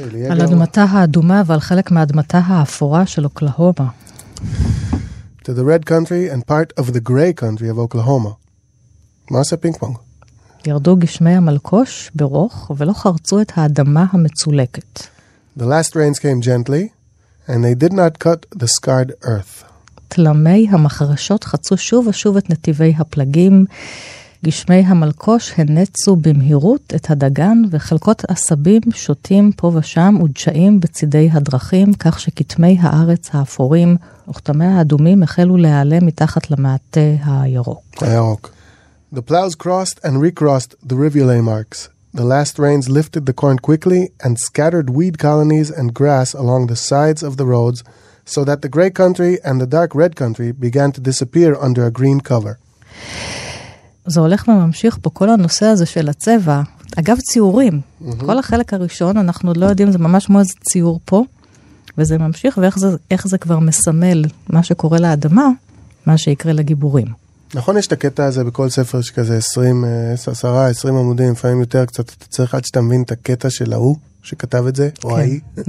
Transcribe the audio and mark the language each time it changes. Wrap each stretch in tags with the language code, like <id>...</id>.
<he>על אדמתה האדומה ועל חלק מאדמתה האפורה של אוקלהומה.</he> <en>To the red country and part of the gray country of Oklahoma.</en> <he>מה עושה פינג פונג? ירדו גשמי המלכוש ברוך ולא חרצו את האדמה המצולקת.</he> <en>The last rains came gently and they did not cut the scarred earth.</en> <he>תלמי המחרשות חצו שוב ושוב את נתיבי הפלגים, גשמי המלכוש הנצו במהירות את הדגן, וחלקות עשבים שוטים פה ושם ודשאים בצידי הדרכים, כך שכתמי הארץ האפורים וכתמי האדומים החלו להיעלם מתחת למעטה הירוק. הירוק.</he> <en>The plows crossed and recrossed the rivulet marks. The last rains lifted the corn quickly and scattered weed colonies and grass along the sides of the roads, so that the gray country and the dark red country began to disappear under a green cover.</en> <he>זה הולך וממשיך פה כל הנושא הזה של הצבע. אגב, ציורים. כל החלק הראשון, אנחנו לא יודעים, זה ממש כמו איזה ציור פה, וזה ממשיך, ואיך זה כבר מסמל מה שקורה לאדמה, מה שיקרה לגיבורים. נכון, יש את הקטע הזה בכל ספר שכזה 20, 10, 20 עמודים, לפעמים יותר קצת, אתה צריך עד שאתה מבין את הקטע של ההוא שכתב את זה, או ההיא.</he>